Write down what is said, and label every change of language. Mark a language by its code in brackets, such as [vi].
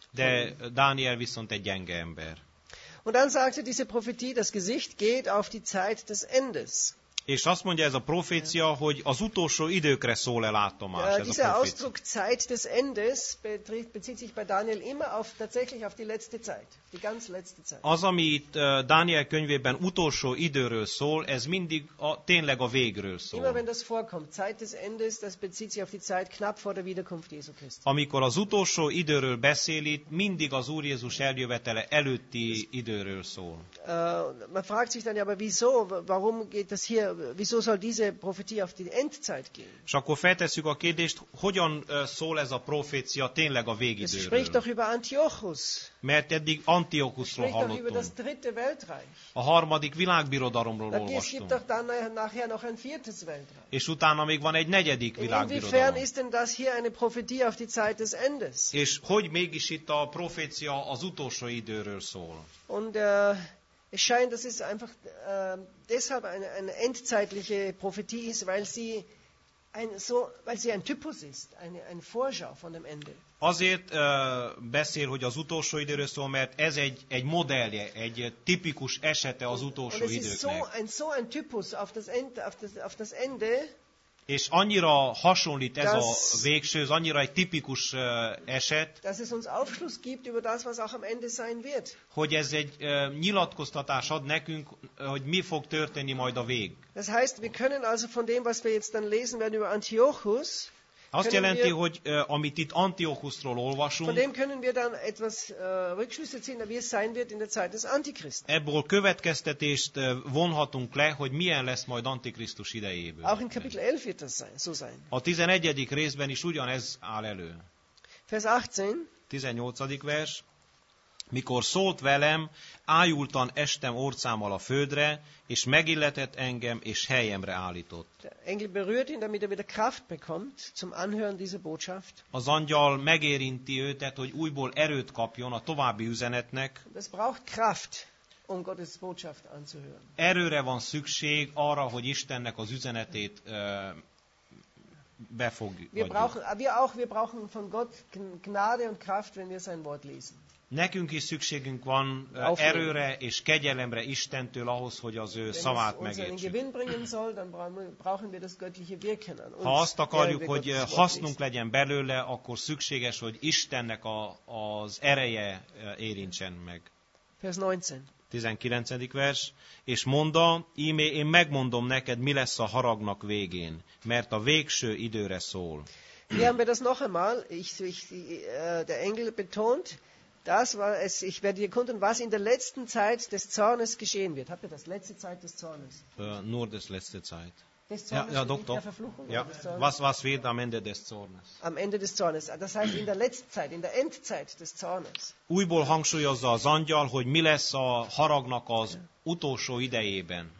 [hu] De Daniel viszont egy gyenge ember. [de] Und dann sagte diese Prophetie, das Gesicht geht auf die Zeit des Endes. [hu] És azt mondja ez a profécia, hogy az utolsó időkre szól el látomás. [de] Ja, dieser Ausdruck Zeit des Endes bezieht sich bei Daniel immer auf tatsächlich auf die letzte Zeit, die ganz letzte Zeit. [hu] Az, amit Daniel könyvében utolsó időről szól, ez mindig a, tényleg a végről szól. [de] Immer wenn das vorkommt, Zeit des Endes, das bezieht sich auf die Zeit knapp vor der Wiederkunft Jesu Christi. [hu] Amikor az utolsó időről beszél, itt mindig az Úr Jézus eljövetele előtti időről szól. [de] Man fragt sich dann ja, aber wieso, warum geht das hier? Wieso soll diese Prophetie auf die Endzeit gehen? [hu] És akkor feltesszük a kérdést, hogyan szól ez a profécia tényleg a végidőről? [de] Es spricht doch über Antiochus. [hu] Mert eddig Antiochusról hallottunk. [de] Über das dritte Weltreich. [hu] A harmadik világbirodalomról olvastunk. [de] Es gibt doch dann nachher noch ein viertes Weltreich. [hu] És utána még van egy negyedik világbirodalom. [de] Inwiefern ist denn das hier eine Prophetie auf die Zeit des Endes? [hu] És hogy mégis itt a profécia az utolsó időről szól? [de] Und es scheint, dass es einfach deshalb eine endzeitliche Prophetie ist, weil sie ein so, weil sie ein Typus ist, ein Vorschau von dem Ende. [hu] Azért beszél, hogy az utolsó időről szól, mert ez egy modellje, egy tipikus esete az utolsó időknek. [de] So ein Typus auf das Ende, auf das Ende. [hu] És annyira hasonlít ez a végső, ez annyira egy tipikus eset, [de] dass es uns Aufschluss gibt über das, was auch am Ende sein wird. [hu] Hogy ez egy nyilatkoztatás ad nekünk, hogy mi fog történni majd a vég. [de] Das heißt, wir können also von dem, was wir jetzt dann lesen werden über Antiochus, [hu] azt jelenti, hogy amit itt Antiochusról olvasunk, [de] von dem können wir dann etwas Rückschlüsse ziehen, wie es sein wird in der Zeit des Antichristen. [hu] Ebből következtetést vonhatunk le, hogy milyen lesz majd Antikrisztus idejében. [de] Auch in Kapitel 11 wird das sein, so sein. [hu] A 11. részben is ugyanez áll elő. [de] Vers 18. [hu] 18. vers. Mikor szólt velem, ájultan estem orcámmal a földre, és megilletett engem, és helyemre állított. [de] Engel berührt ihn, damit wieder Kraft bekommt zum Anhören dieser Botschaft. [hu] Az angyal megérinti őt, hogy újból erőt kapjon a további üzenetnek. [de] Das braucht Kraft, um Gottes Botschaft anzuhören. [hu] Erőre van szükség arra, hogy Istennek az üzenetét befogjuk. [de] Wir brauchen von Gott Gnade und Kraft, wenn wir sein Wort lesen. [hu] Nekünk is szükségünk van erőre és kegyelemre Istentől ahhoz, hogy az ő szavát megértsük. Ha azt akarjuk, hogy hasznunk legyen belőle, akkor szükséges, hogy Istennek az ereje érintsen meg. 19. vers. És mondta, íme én megmondom neked, mi lesz a haragnak végén, mert a végső időre szól. [de] Hier haben wir das noch einmal, der Engel betont, das war es, ich werde dir kunden, was in der letzten Zeit des Zornes geschehen wird. Habt ihr das? Letzte Zeit des Zornes. Nur des letzte Zeit. Des Zornes, ja, Doktor. Der Verfluchung, ja. Des was wird am Ende des Zornes? Am Ende des Zornes. Das heißt in der letzten Zeit, in der Endzeit des Zornes. [hu] Újból hangsúlyozza az angyal, hogy mi lesz a haragnak az utolsó idejében.